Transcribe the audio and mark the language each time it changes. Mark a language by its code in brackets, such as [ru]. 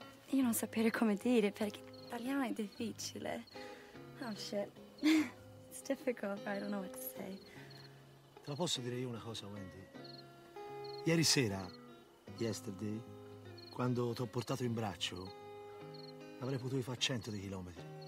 [it] Io non sapere come dire, perché parliamo è difficile. [en] Oh, shit. It's difficult, but I don't know what to say. [it] Te la posso dire io una cosa, Wendy? Ieri sera, yesterday, quando t'ho portato in braccio, avrei potuto fare 100 di chilometri.